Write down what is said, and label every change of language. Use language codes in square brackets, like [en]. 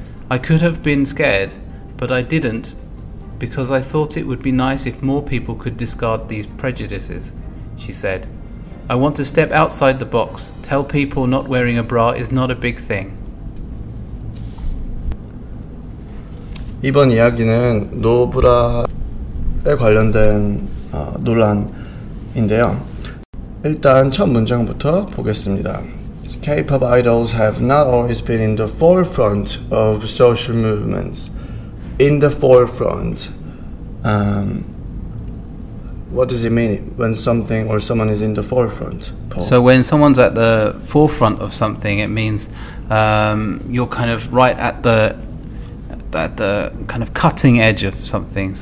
[en] I could have been scared, but I didn't, because I thought it would be nice if more people could discard these prejudices, she said. I want to step outside the box, tell people not wearing a bra is not a big thing. [ko] 이번 이야기는 노브라에 관련된 논란인데요. 일단 첫 문장부터 보겠습니다. [en] K-pop idols have not always been in the forefront of social movements. In the forefront. What does it mean when something or someone is in the forefront, Paul? So when someone's at the forefront of something, it means you're kind of right at the kind of cutting edge of something.